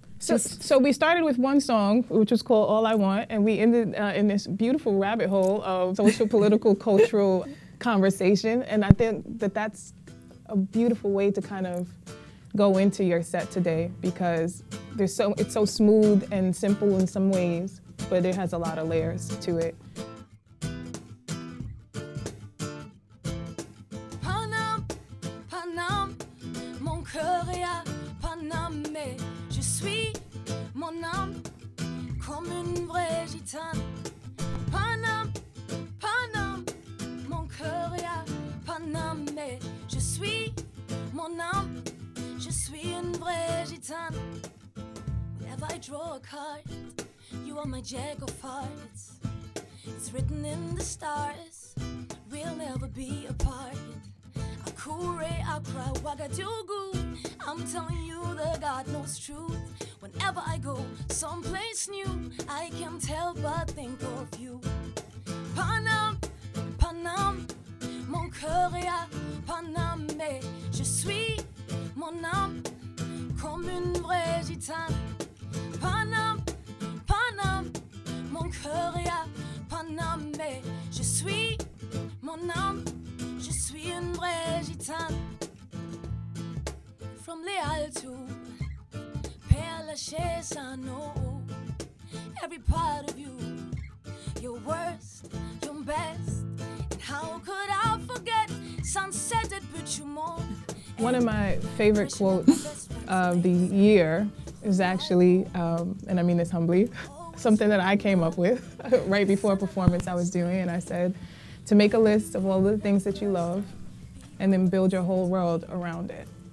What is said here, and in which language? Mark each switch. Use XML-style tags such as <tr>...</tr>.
<en>So we started with one song, which was called All I Want, and we ended in this beautiful rabbit hole of social, political, cultural conversation. And I think that's a beautiful way to kind of go into your set today, because it's so smooth and simple in some ways, but it has a lot of layers to it.</en> <fr>Panam, Panam, mon cœur est à Paname. Je suis mon âme comme une vraie gitane. Panam, Panam, mon cœur est à Paname. Je suis mon âme. Je suis une vraie gitane.</fr> <en>Whenever I draw a card, you are my jack of hearts. It's written in the stars, we'll never be apart. Akure, akra, wagadugu, I'm telling you the God knows truth. Whenever I go someplace new, I can't help but think of you.</en> <fr>Panam, Panam, mon cœur est à Paname. Je suis mon âme comme une vraie gitane. Panam, Panam, mon cœur est à Paname. Je suis mon âme, je suis une vraie gitane.</fr> <en>From Les Altos, Père Lachaise, I know every part of you, your worst, your best. And how could I forget sunset that put you more? One of my favorite quotes of the year is actually, and I mean this humbly, something that I came up with right before a performance I was doing, and I said, to make a list of all the things that you love and then build your whole world around it.</en>